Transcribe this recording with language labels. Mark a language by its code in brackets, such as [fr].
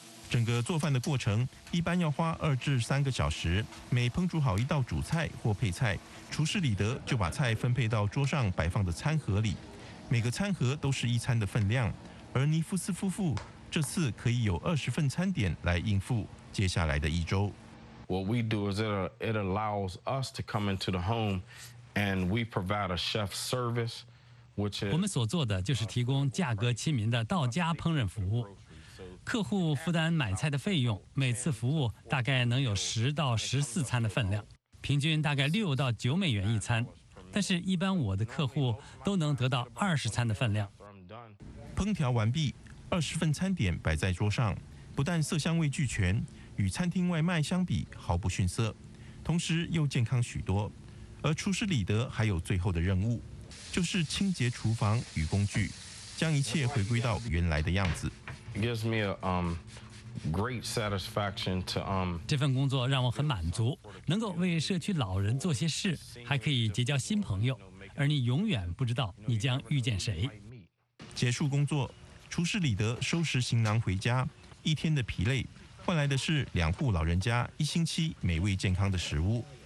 [zh] 整个做饭的过程一般要花2至3个小时，每烹煮好一道主菜或配菜，厨师李德就把菜分配到桌上摆放的餐盒里，每个餐盒都是一餐的分量，而尼夫斯夫妇这次可以有20份餐点来应付接下来的一周。 [en] What we do is it allows us to come into the home and we provide a chef service, which is [zh] 我们所做的就是提供价格亲民的到家烹饪服务，客户负担买菜的费用，每次服务大概能有10到14餐的分量，平均大概6到9美元一餐，但是一般我的客户都能得到20餐的分量。烹调完毕，20份餐点摆在桌上，不但色香味俱全，与餐厅外卖相比毫不逊色，同时又健康许多。而厨师李德还有最后的任务，就是清洁厨房与工具，将一切回归到原来的样子。 [en] Gives me a great satisfaction to [zh] 这份工作让我很满足，能够为社区老人做些事，还可以结交新朋友，而你永远不知道你将遇见谁。结束工作，厨师李德收拾行囊回家，一天的疲累换来的是两户老人家一星期美味健康的食物。